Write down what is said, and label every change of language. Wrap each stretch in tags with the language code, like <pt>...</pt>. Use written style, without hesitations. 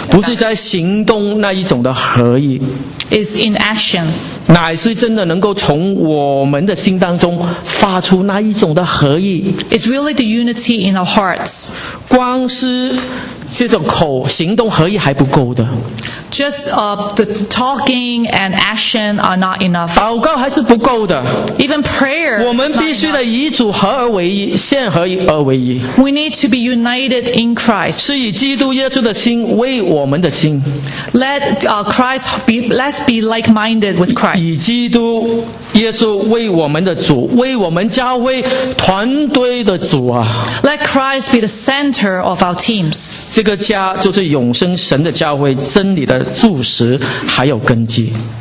<zh>不是在行动那一种的合一。</zh> <en>Is in action.</en> <zh>乃是真的能够从我们的心当中发出那一种的合意。</zh> <en>It's really the unity in our hearts.</en> <zh>光是这种口行动合一还不够的。</zh> <en>Just the talking and action are not enough.</en> <zh>祷告还是不够的。</zh> <en>Even prayer.</en> <zh>我们必须得以主合而为一，现合而为一。</zh> <en>We need to be united in Christ.</en> <zh>是以基督耶稣的心为我们的心。</zh> <en>Let Christ be. Let's be like-minded with Christ.</en> <zh>以基督耶稣为我们的主，为我们教会团队的主啊。</zh> <en>Let Christ be the center of our teams.</en> <zh>这个家就是永生神的教会，真理的柱石还有根基。</zh>